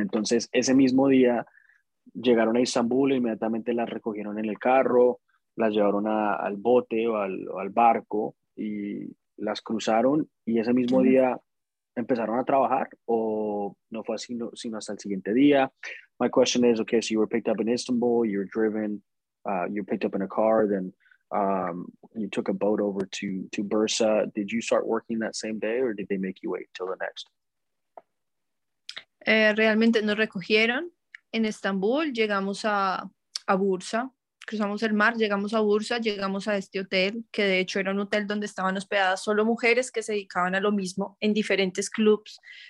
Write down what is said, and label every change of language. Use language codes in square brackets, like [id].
[es] Entonces, ese mismo día, llegaron a Istanbul, inmediatamente la recogieron en el carro. Las llevaron al bote o al barco y las cruzaron y ese mismo día empezaron a trabajar o no fue así, sino hasta el siguiente día. [en] My question is, okay, so you were picked up in Istanbul, you're driven, you're picked up in a car, then you took a boat over to Bursa. Did you start working that same day or did they make you wait till the next? [es] Realmente nos recogieron en Estambul, llegamos a Bursa. Cruzamos el mar, llegamos a Bursa, llegamos a este hotel, que de hecho era un hotel donde estaban hospedadas solo mujeres que se dedicaban a lo mismo en diferentes clubs.